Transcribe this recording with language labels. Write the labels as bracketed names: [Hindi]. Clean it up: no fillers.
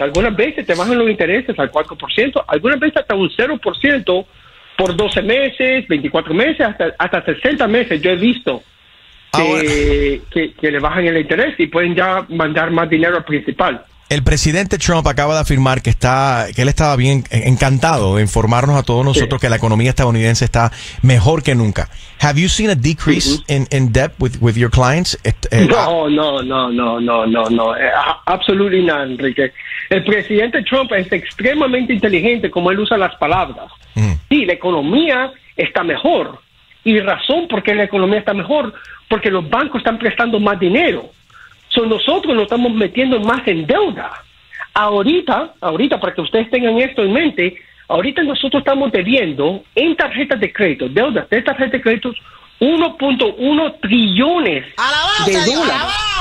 [Spanish] Algunas veces te bajan los intereses al 4%, algunas veces hasta un 0% por 12 meses, 24 meses, hasta 60 meses. Yo he visto que le bajan el interés y pueden ya mandar más dinero al principal. El presidente Trump acaba de afirmar que él estaba bien encantado de informarnos a todos nosotros que la economía estadounidense está mejor que nunca. [English] Have you seen a decrease in debt with your clients? No. Absolutely not, Enrique. [Spanish] El presidente Trump es extremadamente inteligente como él usa las palabras. Sí, la economía está mejor. Y razón por qué la economía está mejor, porque los bancos están prestando más dinero. So nosotros nos estamos metiendo más en deuda. Ahorita, para que ustedes tengan esto en mente, ahorita nosotros estamos debiendo en tarjetas de crédito, deudas de tarjetas de crédito, 1.1 trillones de dólares.